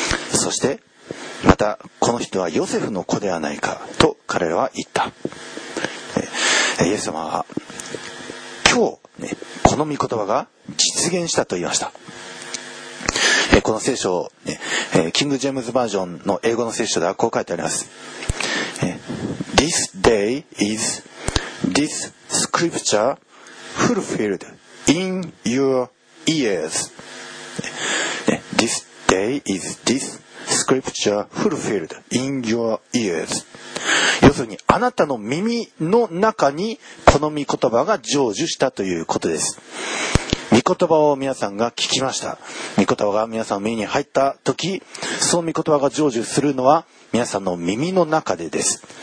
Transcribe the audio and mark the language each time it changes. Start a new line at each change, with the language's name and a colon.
Japanese: そしてまた、この人はヨセフの子ではないかと彼らは言った。イエス様は今日、ね、この御言葉が実現したと言いました。この聖書を、ね、キングジェームズバージョンの英語の聖書ではこう書いてあります。
English: This day is this scripture fulfilled in your ears. This day is this scripture fulfilled in your ears.
Japanese: 要するに、あなたの耳の中にこの御言葉が成就したということです。御言葉を皆さんが聞きました。御言葉が皆さんの耳に入った時、その御言葉が成就するのは皆さんの耳の中でです。